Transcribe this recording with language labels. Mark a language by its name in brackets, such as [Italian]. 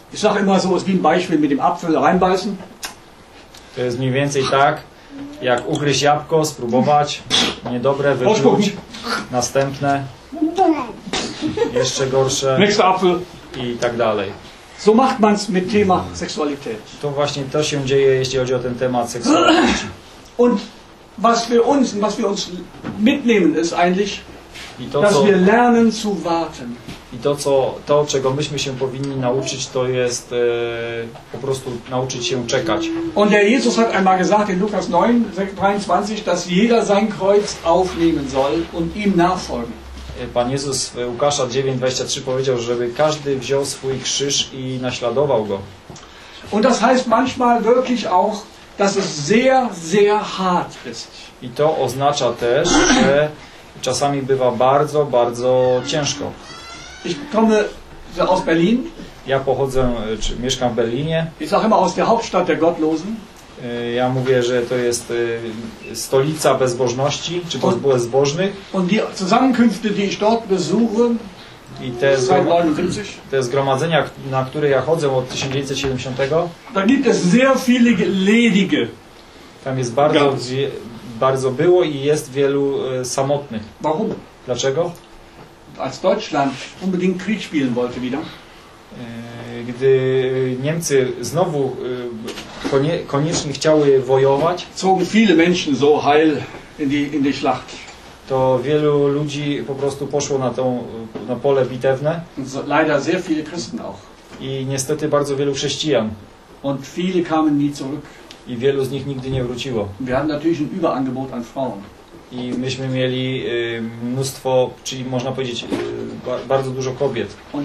[German] Ich sag immer so, es ist wie ein Beispiel mit dem Apfel reinbeißen. [Polish] To jest mniej więcej tak, jak ugryźć jabłko, spróbować, niedobre, wypluć, następne, jeszcze gorsze i tak dalej. [German] So macht man's mit Thema Sexualität. [Polish] To właśnie to się dzieje, jeśli chodzi o ten temat seksualności. [German] Und was wir uns mitnehmen ist eigentlich, dass wir lernen zu warten. [Polish] I to, co, to, czego myśmy się powinni nauczyć, to jest po prostu nauczyć się czekać. [German] Und der Jesus hat einmal gesagt in Lukas 9:23, dass jeder sein Kreuz aufnehmen soll und ihm nachfolgen. [Polish] Pan Jezus w Łukasza 9:23 powiedział, żeby każdy wziął swój krzyż i naśladował go. [German] Und das heißt manchmal wirklich auch, dass es sehr, sehr hart ist. [Polish] I to oznacza też, że czasami bywa bardzo, bardzo ciężko. [German] Ich komme aus Berlin. [Polish] Ja pochodzę, czy mieszkam w Berlinie. [German] Ich sage immer aus der Hauptstadt der Gottlosen. [Polish] Ja mówię, że to jest stolica bezbożności, czy bezbożnych. [German] Und die Zusammenkünfte, die ich dort besuche, [Polish] i te zgromadzenia, na które ja chodzę od 1970. [German] Da gibt es sehr viele ledige. [Polish] Tam jest bardzo, bardzo było i jest wielu samotnych. [German] Warum? [Polish] Dlaczego? [German] Als Deutschland unbedingt Krieg spielen wollte wieder. [Polish] Gdy Niemcy znowu koniecznie chciały wojować, [German] zogen viele Menschen so heil in die Schlacht. [Polish] To wielu ludzi po prostu poszło na pole bitewne. [German] Leider sehr viele Christen auch. [Polish] I niestety bardzo wielu chrześcijan. [German] Und viele kamen nie zurück. [Polish] I wielu z nich nigdy nie wróciło. [German] Wir haben natürlich ein Überangebot an Frauen. [Polish] I myśmy mieli mnóstwo, czyli można powiedzieć bardzo dużo kobiet.